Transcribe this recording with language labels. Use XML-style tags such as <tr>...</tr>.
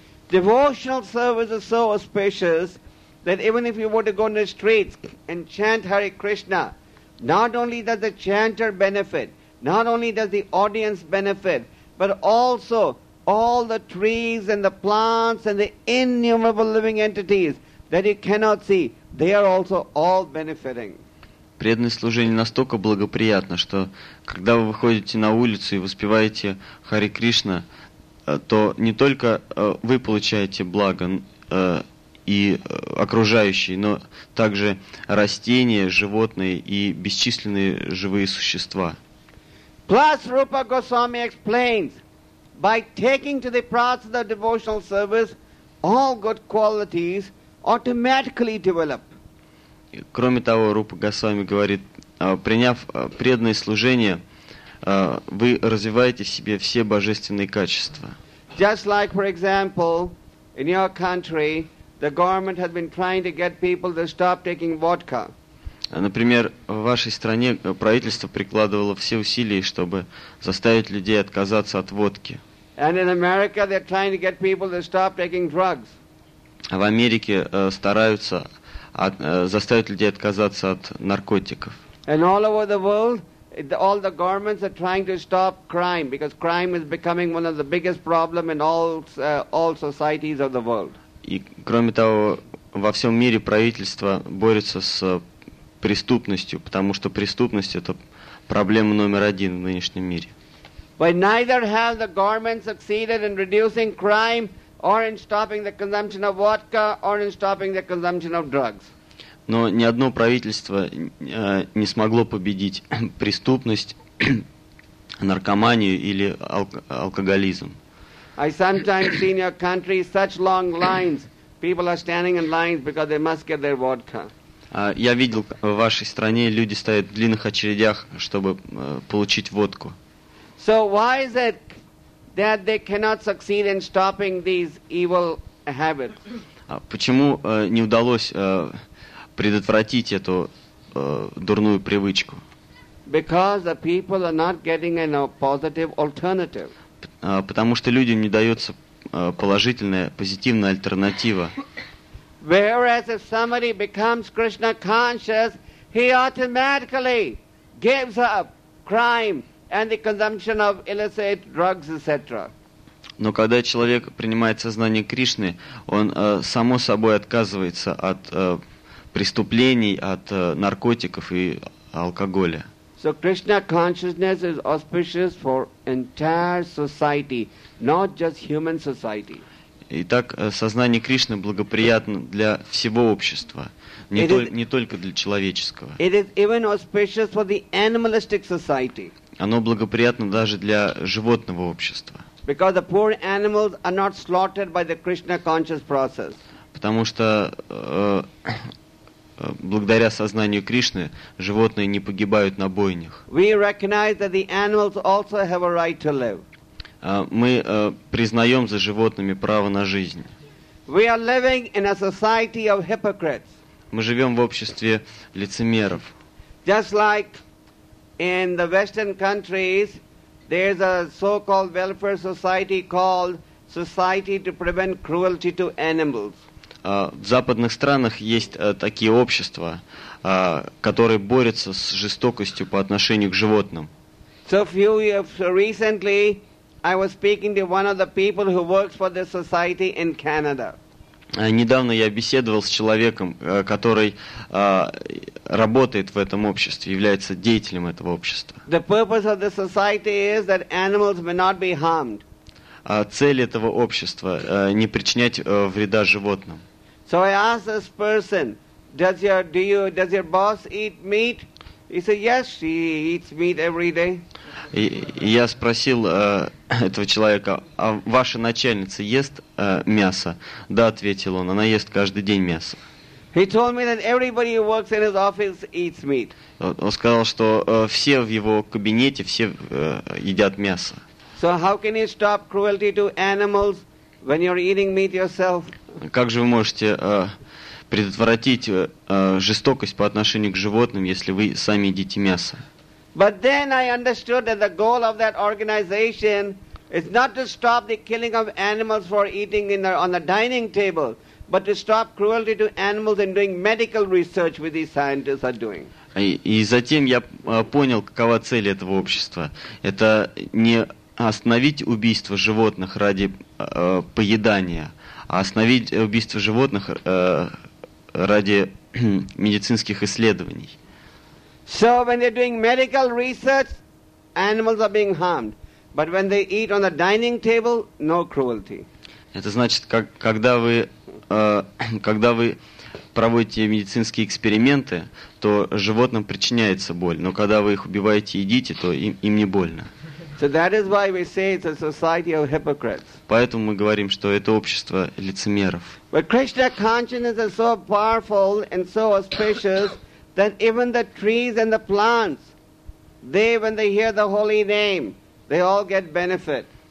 <en>Devotional service is so auspicious that even if you were to go in the streets and chant Hare Krishna, not only does the chanter benefit, not only does the audience benefit, but also all the trees and the plants and the innumerable living entities that you cannot see, they are also all benefiting.</en> <ru>Преданное служение настолько благоприятно, что когда вы выходите на улицу и воспеваете Хари Кришна, то не только вы получаете благо и окружающие, но также растения, животные и бесчисленные живые существа.</ru> <en>Plus, Rupa Goswami explains, by taking to the process of devotional service, all good qualities automatically develop.</en> <ru>Кроме того, Рупа Госвами говорит, приняв преданное служение, вы развиваете в себе все божественные качества.</ru> <en>Just like, for example, in your country, the government has been trying to get people to stop taking vodka.</en> <ru>Например, в вашей стране правительство прикладывало все усилия, чтобы заставить людей отказаться от водки.</ru> <en>And in America, they're trying to get people to stop taking drugs.</en> <ru>В Америке стараются заставить людей отказаться от наркотиков.</ru> <en>And all over the world, all the governments are trying to stop crime because crime is becoming one of the biggest problems in all societies of the world.</en> <ru>И кроме того, во всем мире правительство борется с преступностью, потому что преступность это проблема номер один в нынешнем мире.</ru> <en>But neither have the governments succeeded in reducing crime or in stopping the consumption of vodka or in stopping the consumption of drugs.</en> <ru>Но ни одно правительство не смогло победить преступность, наркоманию или алкоголизм.</ru> <en>I sometimes see in your country such long lines. People are standing in lines because they must get their vodka.</en> <ru>Я видел в вашей стране люди стоят в длинных очередях, чтобы получить водку.</ru> <en>So why is it that they cannot succeed in stopping these evil habits?</en> <ru>Почему не удалось предотвратить эту дурную привычку?</ru> <en>Because the people are not getting a positive alternative.</en> <ru>Потому что людям не дается положительная, позитивная альтернатива.</ru> <en>Whereas if somebody becomes Krishna conscious, he automatically gives up crime and the consumption of illicit drugs, etc.</en> <ru>Но когда человек принимает сознание Кришны, он само собой отказывается от преступлений, от наркотиков и алкоголя.</ru> <en>So Krishna consciousness is auspicious for entire society, not just human society.</en> <ru>Итак, сознание Кришны благоприятно для всего общества, не только для человеческого.</ru> <en>It is even auspicious for the animalistic society.</en> <ru>Оно благоприятно даже для животного общества.</ru> <en>Because the poor animals are not slaughtered by the Krishna conscious process.</en> <ru>Потому что благодаря сознанию Кришны животные не погибают на бойнях.</ru> <en>We recognize that the animals also have a right to live.</en> <ru>Мы признаем за животными право на жизнь.</ru> <en>We are living in a society of hypocrites.</en> <ru>Мы живем в обществе лицемеров.</ru> <en>Just like in the Western countries, there is a so-called welfare society called Society to Prevent Cruelty to Animals.</en> <ru>В западных странах есть такие общества, которые борются с жестокостью по отношению к животным.</ru> <en>So few years recently, I was speaking to one of the people who works for the society in Canada.</en> <ru>Недавно я беседовал с человеком, который работает в этом обществе, является деятелем этого общества.</ru> <en>The purpose of the society is that animals may not be harmed.</en> <ru>Цель этого общества не причинять вреда животным.</ru> <en>So I asked this person, does your boss eat meat? He said, yes, she eats meat every day.</en> <ru>И я спросил этого человека, а ваша начальница ест мясо? Да, ответил он, она ест каждый день мясо.</ru> <en>He told me that everybody who works in his office eats meat.</en> <ru>Он сказал, что все в его кабинете, все едят мясо.</ru> <en>So how can you stop cruelty to animals when you're eating meat yourself?</en> <ru>Как же вы можете предотвратить жестокость по отношению к животным, если вы сами едите мясо?</ru> <en>But then I understood that the goal of that organization is not to stop the killing of animals for eating on the dining table, but to stop cruelty to animals and doing medical research, which these scientists are doing.</en> <ru>И затем я понял, какова цель этого общества. Это не остановить убийство животных ради поедания, а остановить убийство животных ради медицинских исследований.</ru> <en>So when they're doing medical research, animals are being harmed. But when they eat on the dining table, no cruelty.</en> <ru>Это значит, когда вы проводите медицинские эксперименты, то животным причиняется боль. Но когда вы их убиваете и едите, то им не больно.</ru> <en>So that is why we say it's a society of hypocrites.</en> <ru>Поэтому мы говорим, что это общество лицемеров.</ru> <en>But Krishna consciousness is so powerful and so auspicious that even the trees and the plants, they, when they hear the holy name, they all get benefit.</en>